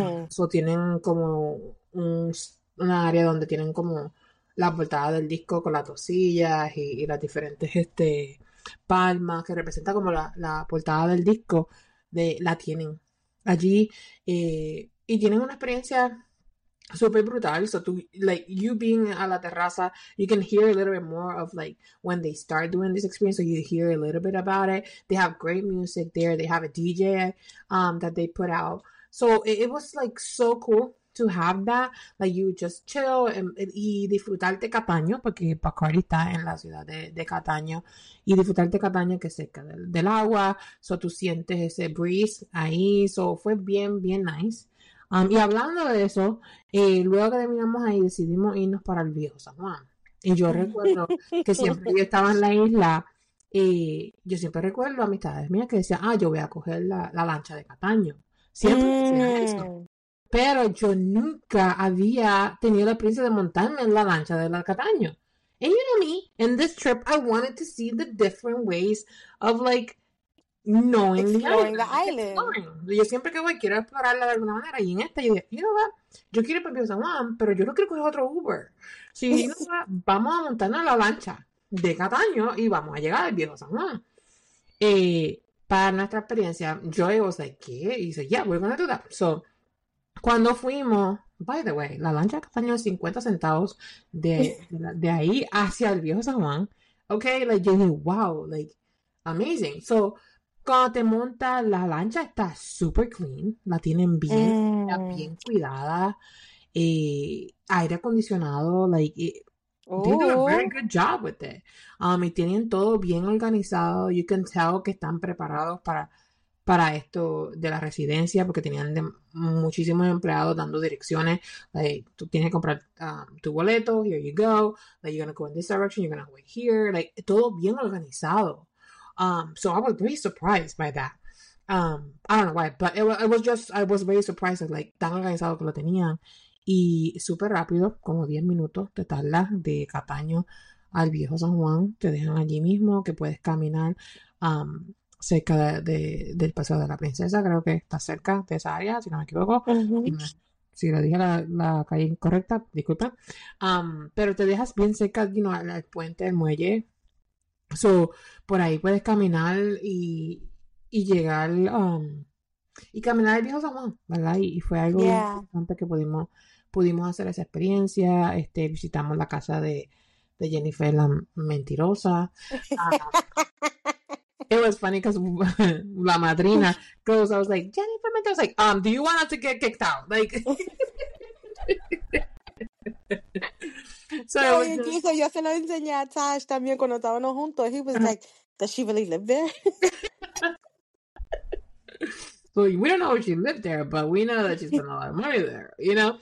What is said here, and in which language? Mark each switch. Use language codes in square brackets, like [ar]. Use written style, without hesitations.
[es] So tienen como una área donde tienen como la portada del disco con las dos sillas y las diferentes palmas que representa como la portada del disco, la tienen allí. Y tienen una experiencia súper brutal. [en] So tú, like, you being [es] a la terraza, [en] you can hear a little bit more of, like, when they start doing this experience, so you hear a little bit about it. They have great music there. They have a DJ that they put out. So it was, like, so cool to have that, like, you just chill [es] y disfrutarte Cataño, porque Bacardi está en la ciudad de Cataño, y disfrutarte Cataño, que es cerca del agua. So tú sientes ese breeze ahí. So fue bien, bien nice. Y hablando de eso, luego que terminamos ahí, decidimos irnos para el viejo San Juan. Y yo recuerdo que siempre yo estaba en la isla, yo siempre recuerdo amistades mías que decían, ah, yo voy a coger la lancha de Cataño. Siempre decían eso. Pero yo nunca había tenido la experiencia de montarme en la lancha de la Cataño. [en] And me, in this trip, I wanted to see the different ways of, like, knowing the Exploring the island, like island. exploring. [es] Yo siempre que voy quiero explorarla de alguna manera. Y en esta, yo dije, yo quiero ir para el San Juan, pero yo no quiero coger otro Uber. Si no, vamos a montarnos a la lancha de Cataño y vamos a llegar al viejo San Juan. [en] Para nuestra experiencia, Joey was like, [es] ¿qué? Y dice, [en] yeah, we're gonna do that. So [es] Cuando fuimos, by the way, la lancha costó 50 centavos de ahí hacia el viejo San Juan. Ok, like, yo dije, [en] wow, like, amazing. [es] So, cuando te montas, la lancha está super clean, la tienen bien cuidada, aire acondicionado, like, [en] they do a very good job with it. [es] Y tienen todo bien organizado. [en] You can tell [es] que están preparados para esto de la residencia, porque tenían muchísimos empleados dando direcciones. [en] Like, [es] tú tienes que comprar tu boleto, [en] here you go. Like, you're gonna go in this direction, you're gonna wait here. Like, [es] todo bien organizado. [en] So I was very surprised by that. I don't know why, but I was very surprised at, like, [es] tan organizado que lo tenían. Y súper rápido, como 10 minutos de tarda de Cataño al viejo San Juan, te dejan allí mismo, que puedes caminar cerca del Paseo de la Princesa, creo que está cerca de esa área, si no me equivoco. Si le dije la calle incorrecta, disculpa. Pero te dejas bien cerca, you know, al puente del muelle. So, por ahí puedes caminar y llegar y caminar al viejo San Juan, ¿verdad? Y fue algo bien importante que pudimos hacer esa experiencia. Visitamos la casa de Jennifer la Mentirosa. [en] It was funny because la madrina goes, I was like, Jennifer, I was like, do you want us to get kicked out? Like, so it was [es] Incluso yo se lo enseñé a Tash también cuando estábamos juntos. [en] He was like, does she really live there? so we don't know if she lived there, but we know that she spent a lot of money there, you know?